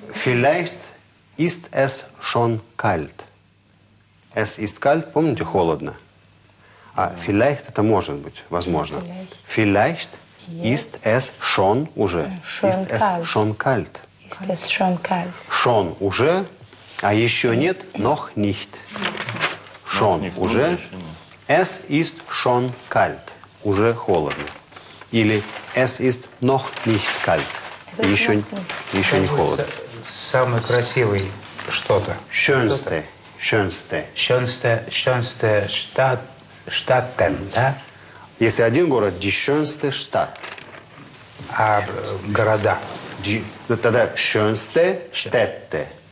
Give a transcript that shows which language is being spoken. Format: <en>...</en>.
<de>Vielleicht ist es schon kalt. Es ist kalt,</de> <ru>помните, холодно? А vielleicht, это может быть, возможно.</ru> <de>Vielleicht ist es schon</de> <ru>уже.</ru> <de>Ist es schon kalt. Ist es schon kalt.</de> <ru>Schon уже, а еще нет,</ru> <de>noch nicht. Schon</de> <ru>уже.</ru> <de>Es ist schon kalt.</de> <ru>Уже холодно.</ru> <de>Или es ist noch nicht kalt.</de> <ru>Еще не холодно. Самый красивый что-то.</ru> <de>Schönste. Schönste. Schönste. Schönste Stadten,</de> <ru>да? Если один город,</ru> <de>die schönste Stadt.</de> <ru>А города? Ну, тогда</ru> <de>schönste Städte.</de>